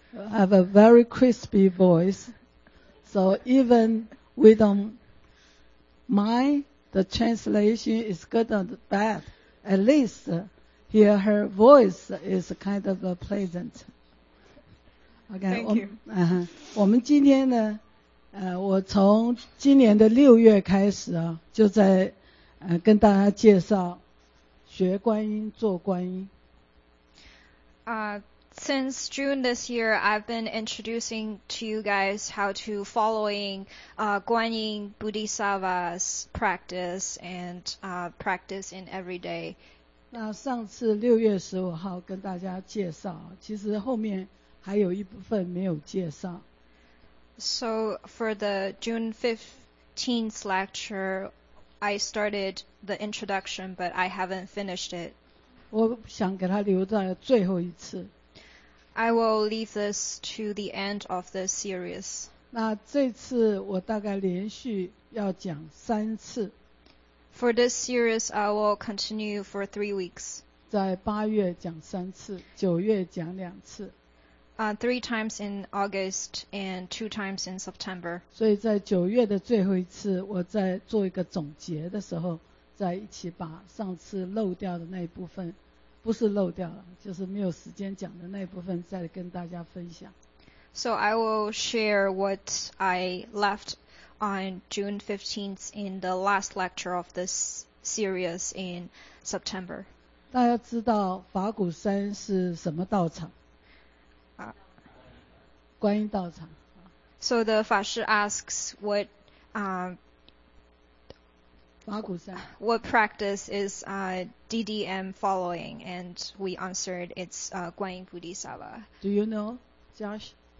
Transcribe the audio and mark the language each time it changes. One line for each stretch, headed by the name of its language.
English: I have a very crispy voice, so even we don't mind. The translation is good or bad. At least hear her voice is kind of pleasant. Okay, thank you.
Chinese: 我们今天呢，我从今年的六月开始啊，就在跟大家介绍学观音做观音。
English: Since June this year, I've been introducing to you guys how to following Guanyin Bodhisattva's practice and practice in everyday.
Chinese: 那上次6月15号跟大家介绍，其实后面还有一部分没有介绍。
English: So for the June 15th lecture, I started the introduction, but I haven't finished it.
Chinese: 我想给它留在最后一次。
English: I will leave this to the end of the series.
Chinese: 那这次我大概连续要讲三次。
English: For this series, I will continue for 3 weeks.
Chinese: 在八月讲三次，九月讲两次。
English: Three times in August and 2 times in September.
Chinese: 所以在九月的最后一次，我在做一个总结的时候，再一起把上次漏掉的那一部分。不是漏掉了，就是没有时间讲的那部分，再跟大家分享。
English: So I will share what I left on June 15th in the last lecture of this series in September.
Chinese: 大家知道法鼓山是什么道场？观音道场。
English: So the 法师 asks what.
Chinese: 法鼓山。
English: What practice is DDM following? And we answered it's Guanyin Bodhisattva. Do you know, Josh?